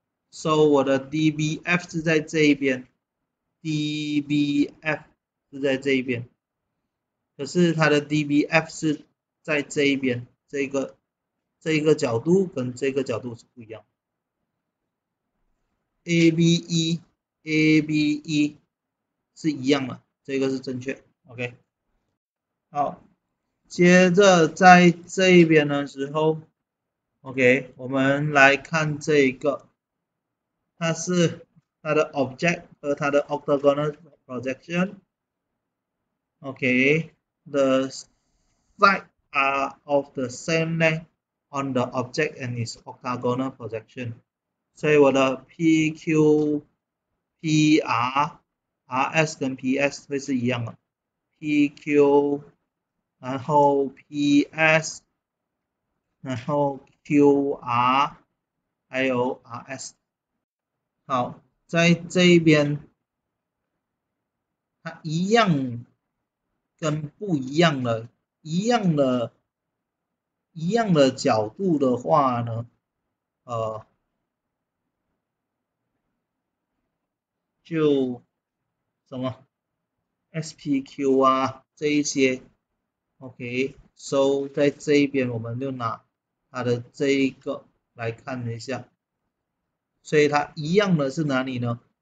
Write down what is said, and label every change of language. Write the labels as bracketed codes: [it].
[zh] So 我的 DBF 是在这一边，DBF 是在这一边，可是它的 DBF 是在这一边，这一个角度跟这个角度是不一样。 ABE 是一样的，这个是正确。 OK，好，接着在这一边的时候，OK，我们来看这一个，它是它的 object 和它的 octagonal projection，OK， [en] the side are of the same length on the object and its octagonal projection。 [zh] 所以我的 PQ、PR、RS 跟 PS 会是一样的。 PQ，然后 PS，然后 QR，还有 RS。好，在这一边，它一样跟不一样的。一样的角度的话呢，就什么 SPQ 啊这一些，OK，so 在这一边我们就拿它的这一个来看一下，所以它一样的是哪里呢？